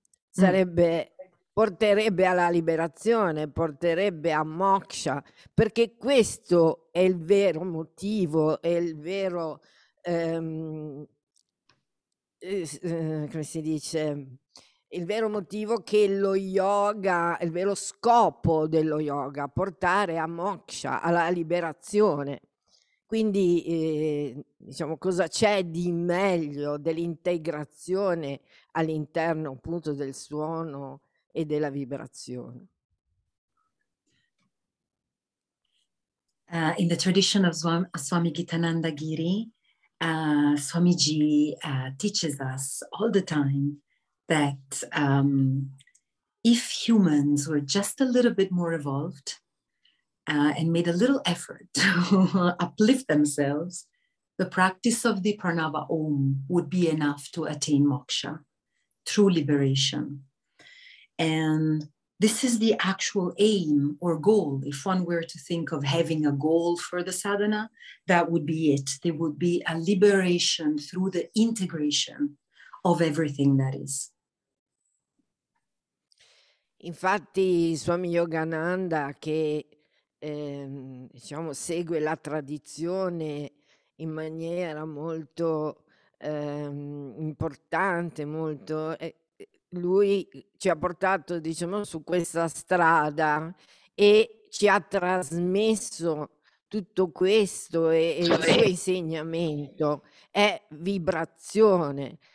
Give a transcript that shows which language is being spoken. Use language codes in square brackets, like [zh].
[it] sarebbe, porterebbe alla liberazione, porterebbe a moksha, perché questo è il vero motivo, è il vero, come si dice, il vero motivo che lo yoga, il vero scopo dello yoga, portare a moksha, alla liberazione. Quindi, diciamo, cosa c'è di meglio dell'integrazione all'interno, appunto, del suono e della vibrazione? [en] In the tradition of Swami Gitananda Giri, Swamiji teaches us all the time that if humans were just a little bit more evolved, and made a little effort to uplift themselves, the practice of the pranava om would be enough to attain moksha, true liberation. And this is the actual aim or goal. If one were to think of having a goal for the sadhana, that would be it. There would be a liberation through the integration of everything that is. [it] Infatti, Swami Yogananda, che diciamo segue la tradizione in maniera molto importante, molto, lui ci ha portato, diciamo, su questa strada e ci ha trasmesso tutto questo, e il suo insegnamento è vibrazione.